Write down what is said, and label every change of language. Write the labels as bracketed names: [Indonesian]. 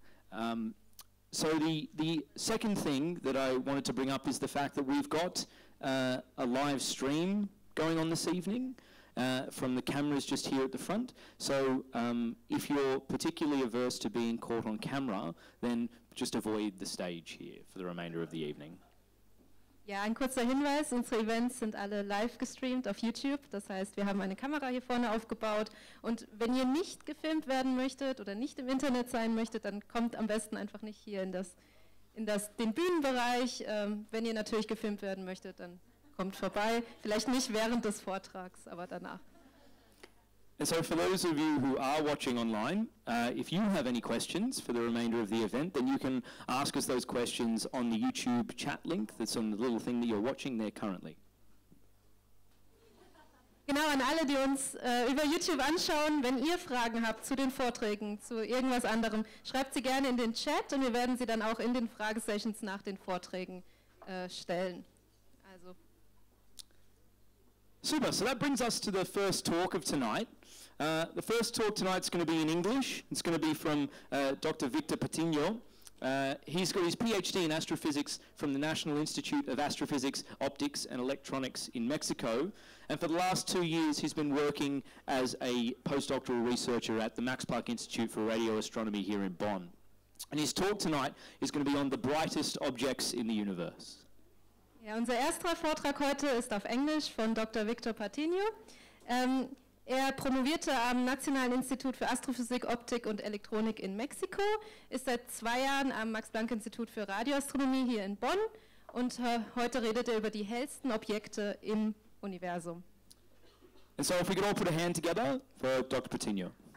[English] So the second thing that I wanted to bring up is the fact that we've got a live stream going on this evening. From the cameras just here at the front. So if you're particularly averse to being caught on camera, then just avoid the stage here for the remainder of the evening. [German] Ja, ein kurzer Hinweis, unsere Events sind alle live gestreamt auf YouTube. Das heißt, wir haben eine Kamera hier vorne aufgebaut. Und wenn ihr nicht gefilmt werden möchtet oder nicht im Internet sein möchtet, dann kommt am besten einfach nicht hier in den Bühnenbereich. Wenn ihr natürlich gefilmt werden möchtet, dann kommt vorbei, vielleicht nicht während des Vortrags, aber danach. [English] And so for those of you who are watching online, if you have any questions for the remainder of the event, then you can ask us those questions on the YouTube chat link that's on the little thing that you're watching there currently. [German] Genau, an alle, die uns über YouTube anschauen, wenn ihr Fragen habt zu den Vorträgen, zu irgendwas anderem, schreibt sie gerne in den Chat und wir werden sie dann auch in den Fragesessions nach den Vorträgen stellen. [English] Super, so that brings us to the first talk of tonight. The first talk tonight is going to be in English. It's going to be from Dr. Víctor Patiño. He's got his PhD in astrophysics from the National Institute of Astrophysics, Optics and Electronics in Mexico. And for the last 2 years, he's been working as a postdoctoral researcher at the Max Planck Institute for Radioastronomy here in Bonn. And his talk tonight is going to be on the brightest objects in the universe. [German] Ja, unser erster Vortrag heute ist auf Englisch von Dr. Víctor Patiño. Er promovierte am Nationalen Institut für Astrophysik, Optik und Elektronik in Mexiko, ist seit 2 Jahren am Max-Planck-Institut für Radioastronomie hier in Bonn und heute redet er über die hellsten Objekte im Universum. [English] And so if we could all put a hand together for Dr. Patiño.